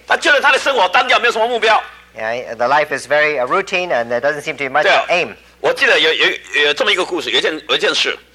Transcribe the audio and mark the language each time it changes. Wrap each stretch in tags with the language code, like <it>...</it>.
<zh>他觉得他的生活单调,没有什么目标。</zh> <en>Yeah, the life is very routine, and there doesn't seem to be much aim.</en> <zh>我记得有这么一个故事，有一件事。</zh>